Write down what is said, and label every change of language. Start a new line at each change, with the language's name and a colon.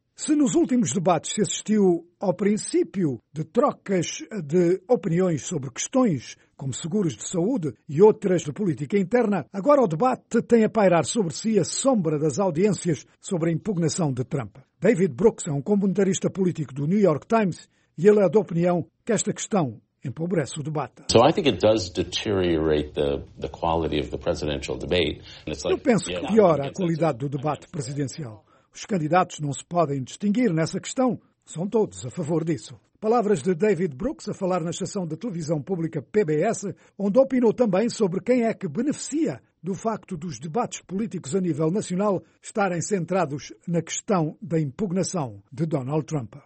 Portuguese: Se nos últimos debates se assistiu ao princípio de trocas de opiniões sobre questões como seguros de saúde e outras de política interna, agora o debate tem a pairar sobre si a sombra das audiências sobre a impugnação de Trump. David Brooks é um comentarista político do New York Times e ele é da opinião que esta questão empobrece o debate.
English: So I think it does deteriorate the quality of the presidential debate.
Portuguese: Eu penso que piora a qualidade do debate presidencial. Os candidatos não se podem distinguir nessa questão. São todos a favor disso. Palavras de David Brooks a falar na estação de televisão pública PBS, onde opinou também sobre quem é que beneficia do facto dos debates políticos a nível nacional estarem centrados na questão da impugnação de Donald Trump.